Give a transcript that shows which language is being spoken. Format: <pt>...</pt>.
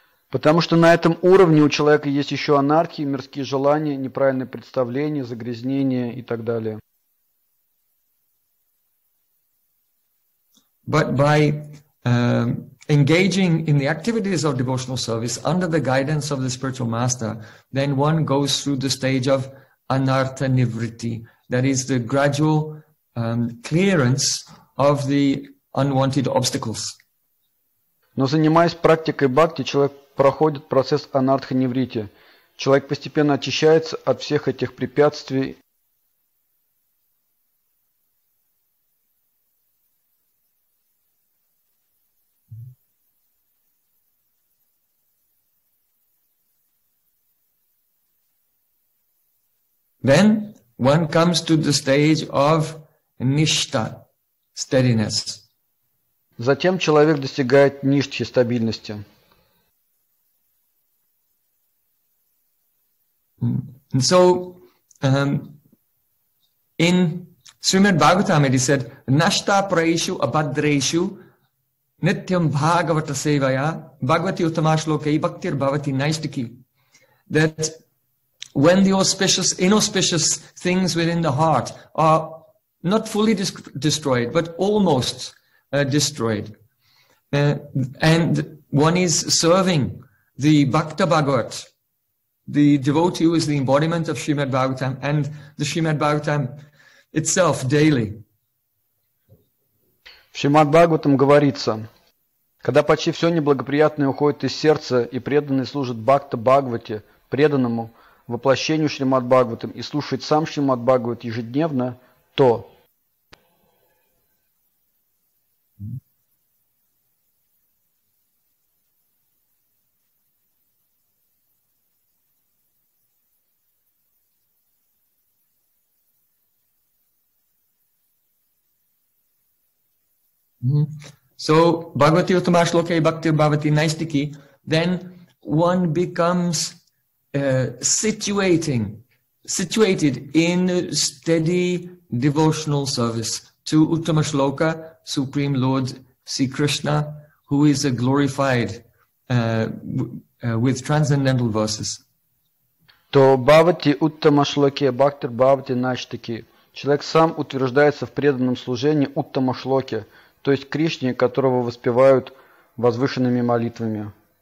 <ru>Потому что на этом уровне у человека есть еще анархии, мирские желания, неправильные представления, загрязнения и так далее.</ru> <en>But by engaging in the activities of devotional service under the guidance of the spiritual master, then one goes through the stage of anartha nivritti, that is the gradual clearance of the unwanted obstacles.</en> <ru>Но занимаясь практикой бхакти, человек проходит процесс анартха нивритти. Человек постепенно очищается от всех этих препятствий.</ru> <en>Then one comes to the stage of nishta, steadiness.</en> <ru>Затем человек достигает ништхи, стабильности.</ru> <en>And so, in Srimad Bhagavatam, it is said,</en> <sa>nashta praishu abhadreshu nityam bhagavata sevaya bhagavati uttamashlokai bhaktir bhavati naishtiki.</sa> <en>That when the auspicious, inauspicious things within the heart are not fully destroyed, but almost destroyed, and one is serving the Bhakta Bhagavat, the devotee who is the embodiment of Srimad Bhagavatam and the Srimad Bhagavatam itself daily.</en> <ru>В Шримад Бхагаватам говорится, когда почти все неблагоприятное уходит из сердца и преданный служит Бхакта Бхагавате, преданному, воплощению Шримад Бхагаватам и слушает сам Шримад Бхагават ежедневно, то.</ru> <en>So,</en> <sa>Bhagavati Uttama Shloka Bhakti Bhavati Naistiki,</sa> <en>then one becomes situated in steady devotional service to Uttama Shloka, Supreme Lord Sri Krishna, who is glorified with transcendental verses.</en> <sa>То Бхавати Уттама Шлоке Бхактир Бхавати Наштики.</sa> <ru>Человек сам утверждается в преданном служении Уттама Шлоке, то есть Кришне, которого воспевают возвышенными молитвами.</ru>